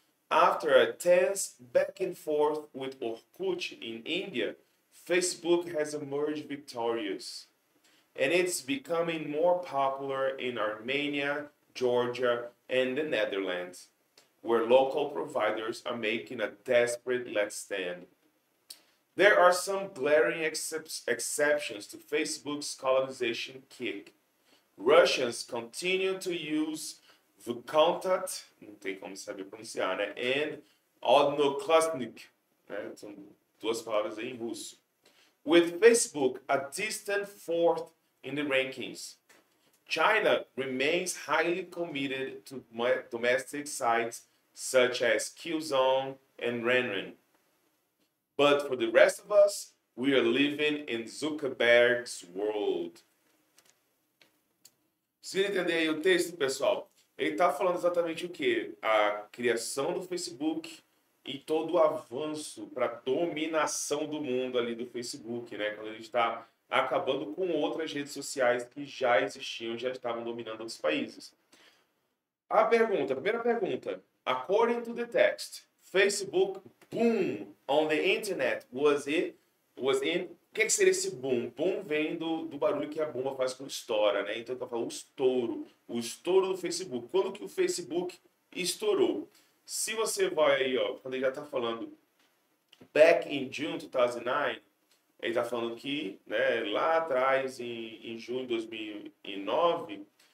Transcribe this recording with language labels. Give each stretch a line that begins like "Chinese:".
English: After a tense back and forth with Orkut in India, Facebook has emerged victorious, and it's becoming more popular in Armenia, Georgia, and the Netherlands, where local providers are making a desperate last stand. There are some glaring exceptions to Facebook's colonization kick. Russians continue to use Vkontakte,
Portuguese: não tem como saber pronunciar, né? And Odnoklassnik, né? São duas palavras aí em russo.
English: With Facebook a distant fourth in the rankings, China remains highly committed to domestic sites such as Qzone and Renren. But for the rest of us, we are living in Zuckerberg's world.
Portuguese: Conseguiram entender aí o texto, pessoal? Ele está falando exatamente o quê? A criação do Facebook e todo o avanço para a dominação do mundo ali do Facebook, né? Quando a gente está acabando com outras redes sociais que já existiam, já estavam dominando outros países. A primeira pergunta.
English: According to the text, Facebook boom on the internet was in...
Portuguese: O que seria esse boom? Boom vem do barulho que a bomba faz quando estoura, né? Então, tá falando o estouro do Facebook. Quando que o Facebook estourou? Se você vai aí, ó, quando ele já tá falando
English: back in June 2009,
Portuguese: ele tá falando que, né, lá atrás, em junho de 2009,